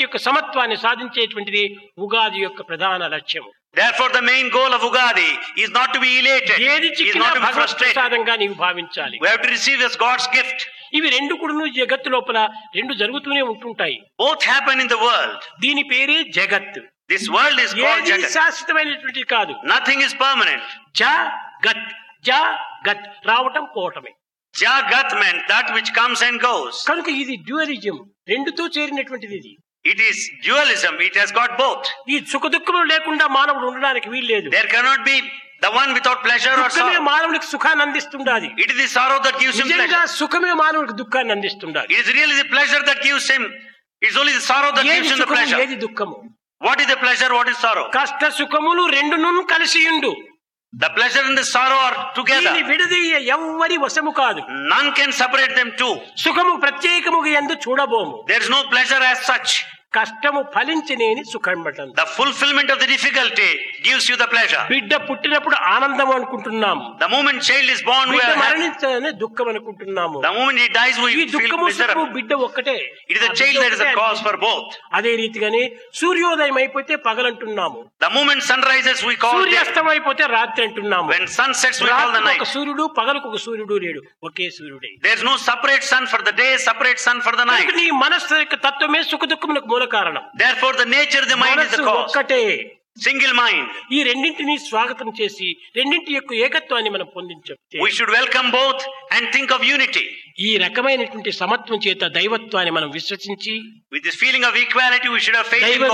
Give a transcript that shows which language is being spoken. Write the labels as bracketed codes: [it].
[te] యొక్క సమత్వాన్ని సాధించేటువంటిది ఉగాది యొక్క ప్రధాన లక్ష్యం. [en] Therefore the main goal of ugadi is not to be elated, is not to be frustrated. [te] ప్రసాదంగా నీవు భావించాలి. [en] We have to receive as God's gift. [te] ఇవి రెండు కూడా జగత్ లోపల రెండు జరుగుతూనే ఉంటుంటాయి. [en] Both happen in the world. [te] దీని పేరే జగత్. [en] This world is called jagat. [te] ఏది శాశ్వతమైనటువంటి కాదు. [en] Nothing is permanent. [te] జగత్ జగత్ రావటం పోవటమే. [en] Jagat means that which comes and goes. [te] కనుక ఇది dualism, రెండుతో చేరినటువంటిది ఇది. [en] It is dualism, it has got both. [te] ఈ సుఖ దుఃఖములు లేకుండా మానవుడు ఉండడానికి వీల్లేదు. [en] There cannot be the one without pleasure or sorrow. [te] సుఖమే మానవునికి సుఖాన్ని అందిస్తుండాలి. [en] It is the sorrow that gives him pleasure. [te] సుఖమే మానవునికి దుఃఖాన్ని అందిస్తుండాలి. [en] It is really the pleasure that gives him. It is only the sorrow that gives him the pleasure. [te] ఏది దుఃఖము? [en] What is the pleasure? What is sorrow? [te] కష్ట సుఖములు రెండునూ కలిసి ఉండు. [en] The pleasure and the sorrow are together. [te] ఇది విడదీయే ఎవ్వరి వశము కాదు. [en] None can separate them too. [te] సుఖము ప్రత్యేకముగా ఎందు చూడబోము. [en] There is no pleasure as such. [te] కష్టము ఫలించినేని సుఖం పట్టం. [en] The fulfillment of the difficulty gives you the pleasure. [te] బిడ్డ పుట్టినప్పుడు ఆనందం అనుకుంటున్నాం. [en] The moment child is born we are [te] మరణించాలని దుఃఖం అనుకుంటున్నాము. [en] The moment he dies we feel [te] దుఃఖము సుఖము బిడ్డ ఒక్కటే. [en] It is the child that is the cause for both. [te] అదే రీతిగానే సూర్యోదయం అయిపోతే పగలంటున్నాము. [en] The moment sunrises we call [te] సూర్యాస్తమం అయిపోతే రాత్రి అంటున్నాము. [en] When sunsets we call the night. [te] ఒక సూర్యుడు పగలకు ఒక సూర్యుడు లేడు, ఒకే సూర్యుడే. [en] There is no separate sun for the day, separate sun for the night. [te] నీ మనస్సు యొక్క తత్వమే సుఖ దుఃఖములకు. [en] Therefore the nature of the mind is the cause. [te] ఒక్కటే. [en] single mind [te] ఈ రెండింటిని స్వాగతం చేసి రెండింటి యొక్క ఏకత్వాన్ని మనం పొందించబడతాం. [en] We should welcome both and think of unity. [te] ఈ రకమైనటువంటి సమత్వం చేత దైవత్వాన్ని మనం విశ్వసించి, [en] With this feeling of equality we should have faith in God.